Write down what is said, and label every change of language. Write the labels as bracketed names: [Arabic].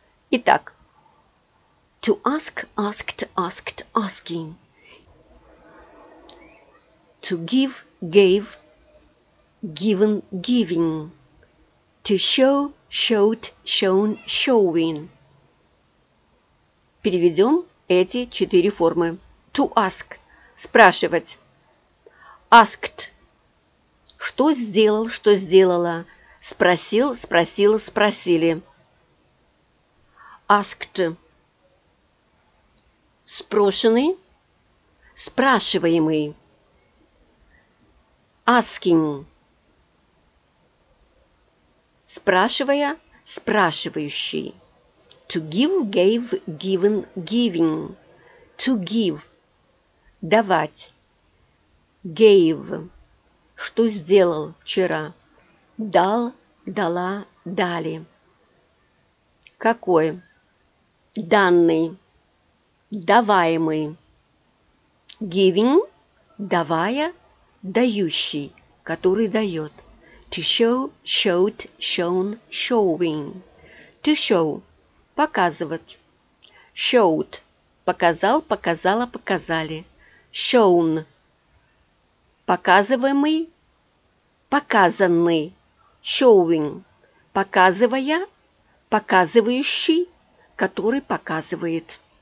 [English] Итак, «to ask», «asked», «asked», «asking», «to give», «gave», «given», «giving», «to show», «showed», «shown», «showing». [Russian] Переведем эти четыре формы. [English] «To ask» – [Russian] спрашивать. [English] «Asked» [Russian] – что сделал, что сделала. «Спросил», «спросил», «спросили». [English] «Asked» [Russian] – спрошенный, спрашиваемый. [English] «Asking» [Russian] – спрашивая, спрашивающий. [English] To give, gave, given, giving. To give – [Russian] давать. [English] Gave [Russian] – что сделал вчера. Дал, дала, дали. Какой? Данный. Даваемый. [English] Giving [Russian] – давая, дающий, который дает. [English] To show, showed, shown, showing. To show – [Russian] показывать. [English] Showed [Russian] – показал, показала, показали. [English] Shown [Russian] – показываемый, показанный. [English] Showing [Russian] – показывая, показывающий, который показывает.